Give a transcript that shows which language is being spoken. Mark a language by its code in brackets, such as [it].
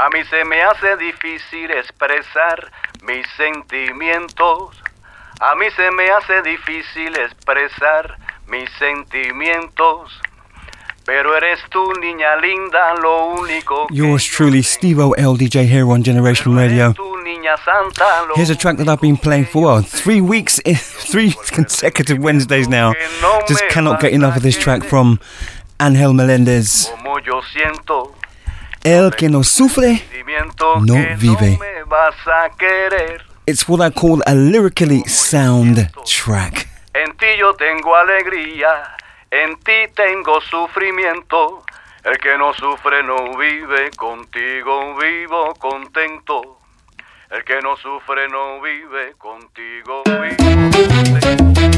[es] Se me hace difícil expresar mis sentimientos. A mí se me hace difícil expresar mis sentimientos. Pero eres tú, niña linda, lo único. [en] Yours truly, Steve-O, LDJ here on Generation Radio. Here's a track that I've been playing for, well, 3 weeks, three consecutive Wednesdays now. Just cannot get enough of this track from Ángel Meléndez. [es] Como yo siento. El que no sufre, no vive. [en] It's what I call a lyrically sound track. [es] En ti yo tengo alegría, en ti tengo sufrimiento. El que no sufre no vive, contigo vivo contento. El que no sufre no vive, contigo vivo